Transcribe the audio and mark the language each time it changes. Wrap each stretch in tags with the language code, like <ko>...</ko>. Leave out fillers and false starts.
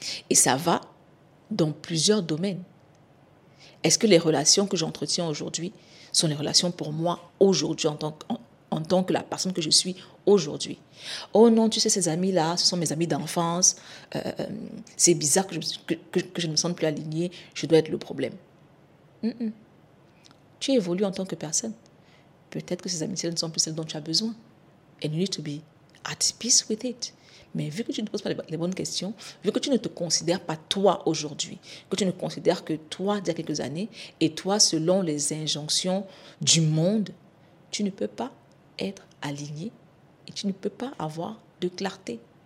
<fr>Et ça va dans plusieurs domaines. Est-ce que les relations que j'entretiens aujourd'hui sont les relations pour moi aujourd'hui en tant que la personne que je suis aujourd'hui? Oh non, tu sais, ces amis-là, ce sont mes amis d'enfance. C'est bizarre que je ne me sente plus alignée. Je dois être le problème. Mm-mm. Tu évolues en tant que personne. Peut-être que ces amitiés ne sont plus celles dont tu as besoin.</fr> <en>And you need to be at peace with it.</en> <fr>Mais vu que tu ne poses pas les bonnes questions, vu que tu ne te considères pas toi aujourd'hui, que tu ne considères que toi d'il y a quelques années, et toi selon les injonctions du monde, tu ne peux pas être aligné et tu ne peux pas avoir de clarté.</fr>